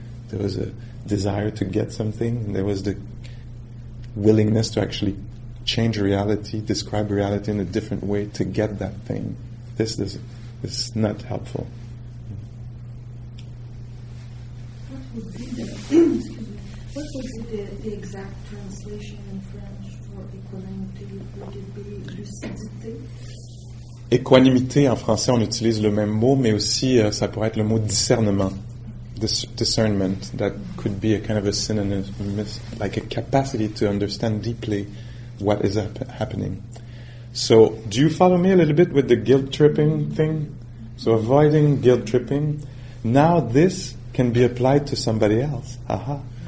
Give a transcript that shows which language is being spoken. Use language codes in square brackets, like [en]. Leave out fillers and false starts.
[en] There was a desire to get something, and there was the willingness to actually change reality, describe reality in a different way to get that thing. This is not helpful. What would be the exact translation in French for equanimity? Would it be lucidité? [fr] Équanimité, en français, on utilise le même mot, mais aussi ça pourrait être le mot discernement. [en] Discernment, that could be a kind of a synonym, like a capacity to understand deeply what is happening. So, do you follow me a little bit with the guilt-tripping thing? So, avoiding guilt-tripping. Now, this can be applied to somebody else. Aha.